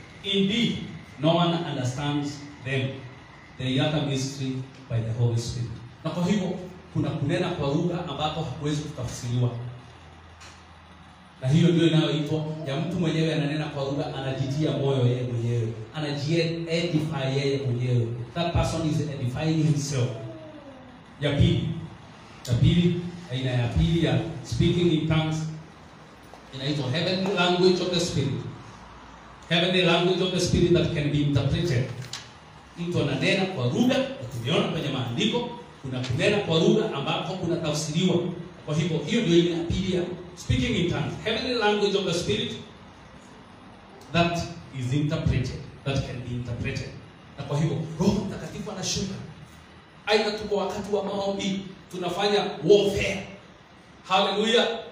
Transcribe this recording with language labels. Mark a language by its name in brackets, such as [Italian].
[English] Indeed, no one understands them. They utter mystery by the Holy Spirit. [Swahili] Na kwa hivyo kuna kunena kwa lugha ambako hakuwezi kutafsiriwa. Na hiyo ndio inayoitwa ya mtu mwenyewe ananena kwa lugha, anajitia moyo yeye mwenyewe, anajiedify yeye mwenyewe. [English] That person is edifying himself. [Swahili] Ya pili, aina ya pili ya [English] speaking in tongues [Swahili] inaitwa [English] heavenly language of the spirit. Heavenly language of the spirit that can be interpreted. [Swahili] Mtu ananena kwa lugha, tumeona kwenye maandiko kuna kunena kwa lugha ambako kuna tafsiriwa. Kwa hivyo hiyo ndio ile pili ya [English] speaking in tongues, heavenly language of the spirit that is interpreted, that can be interpreted. [Swahili] Na kwa hivyo Roho Mtakatifu anashuka. Aidha tuko wakati wa maombi tunafanya warfare. Hallelujah.